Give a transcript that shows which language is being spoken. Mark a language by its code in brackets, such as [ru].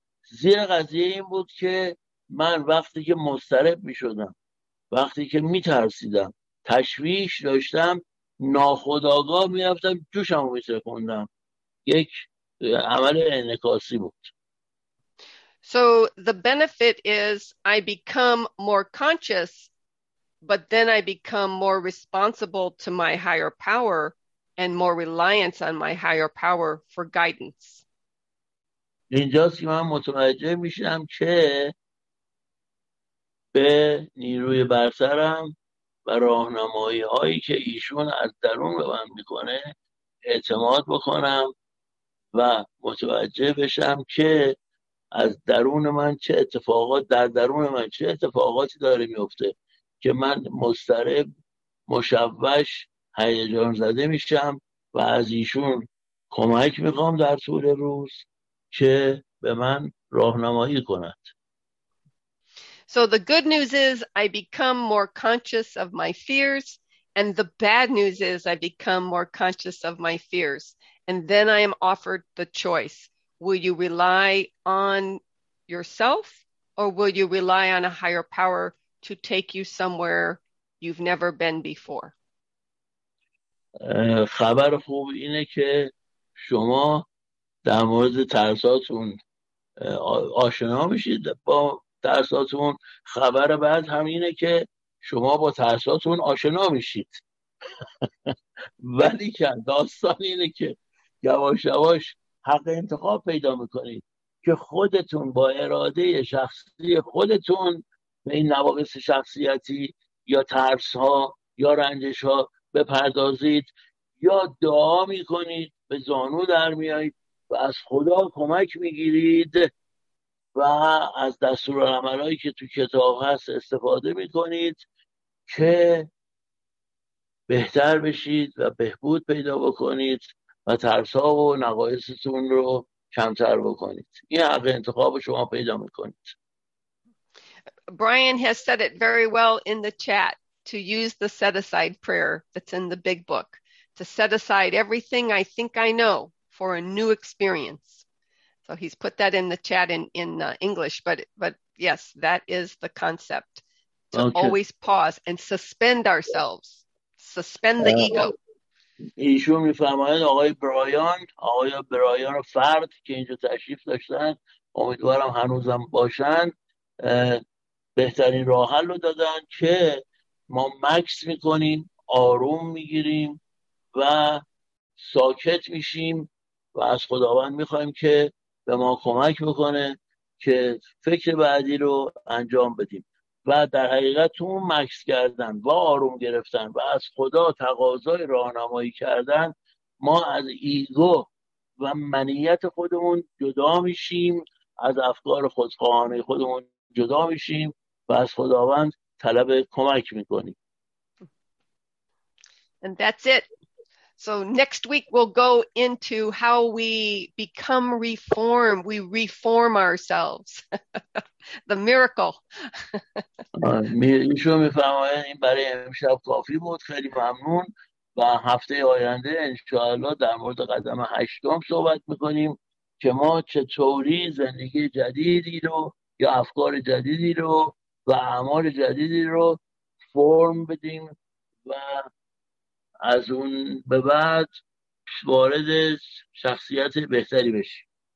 [fa] زیر قضیه این بود که من وقتی که مضطرب می شدم، وقتی که می ترسیدم، تشویش داشتم، ناخودآگاه می رفتم جوشم رو می سکندم. یک عمل انعکاسی بود. [en] So the benefit is I become more conscious, but then I become more responsible to my higher power and more reliance on my higher power for guidance. [fa] اینجاست که من متوجه میشم که به نیروی برترم و راهنمایی هایی که ایشون از درون به من میکنه اعتماد بکنم و متوجه بشم که از درون من چه اتفاقات در درون من چه اتفاقاتی داره میفته که من مضطرب، مشوش، هیجان زده میشم و از ایشون کمک میخوام در طول روز که به من راهنمایی کند. [en] So the good news is I become more conscious of my fears, and the bad news is I become more conscious of my fears, and then I am offered the choice. Will you rely on yourself or will you rely on a higher power to take you somewhere you've never been before? [fa] خبر خوب اینه که شما در مورد ترساتون آشنا میشید با ترساتون. خبر بعد هم اینه که شما با ترساتون آشنا میشید. ولی که داستان اینه که یواش یواش حق انتخاب پیدا میکنید که خودتون با اراده شخصی خودتون به این نواقص شخصیتی یا ترسها یا رنجشها بپردازید، یا دعا میکنید، به زانو در میایید و از خدا کمک میگیرید و از دستورالعملهایی که تو کتاب هست استفاده میکنید که بهتر بشید و بهبود پیدا بکنید و ترسها و نقایصتون رو کمتر بکنید. این حق انتخاب شما پیدا میکنید. [en] Brian has said it very well in the chat to use the set aside prayer that's in the big book to set aside everything I think I know for a new experience. So he's put that in the chat in English, but yes, that is the concept. To okay. always pause and suspend ourselves. Suspend the ego. [fa] ایشون میفرماید آقای برایان فرد که اینجا تشریف داشتن، امیدوارم هنوزم باشن، بهترین راه حل رو دادن که ما مکس میکنیم، آروم میگیریم و ساکت میشیم و از خداوند میخوایم که به ما کمک بکنه که فکر بعدی رو انجام بدیم، و در حقیقت تو مکس کردن و آروم گرفتن و از خدا تقاضای راهنمایی کردن، ما از ایگو و منیت خودمون جدا میشیم، از افکار خودخواهانه خودمون جدا میشیم و از خداوند طلب کمک میکنیم. [en] And that's it. So next week we'll go into how we become reformed. We reform ourselves. The miracle. [fa] ایشون میفرمایند این برای امشب کافی بود. خیلی ممنون. و هفته آینده انشاءالله در مورد قدم هشتم صحبت میکنیم که ما چطوری زندگی جدیدی رو یا افکار جدیدی رو و اعمال جدیدی رو فرم بدیم و از اون به بعد وارد شخصیت بهتری بشیم.